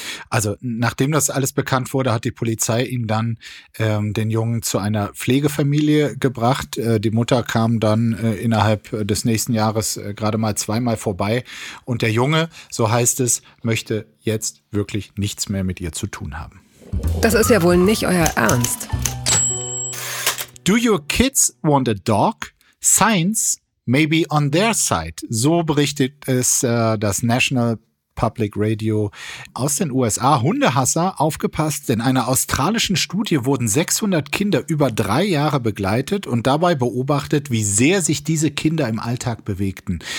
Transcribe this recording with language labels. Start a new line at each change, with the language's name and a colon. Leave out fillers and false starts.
German: Also nachdem das alles bekannt wurde, hat die Polizei ihn dann den Jungen zu einer Pflegefamilie gebracht. Die Mutter kam dann innerhalb des nächsten Jahres gerade mal 2-mal vorbei. Und der Junge, so heißt es, möchte jetzt wirklich nichts mehr mit ihr zu tun haben. Das ist ja wohl nicht euer Ernst.
English: Do your kids want a dog? Science maybe on their side.
German: So berichtet es das National Public Radio aus den USA. Hundehasser, aufgepasst, in einer australischen Studie wurden 600 Kinder über 3 Jahre begleitet und dabei beobachtet, wie sehr sich diese Kinder im Alltag bewegten.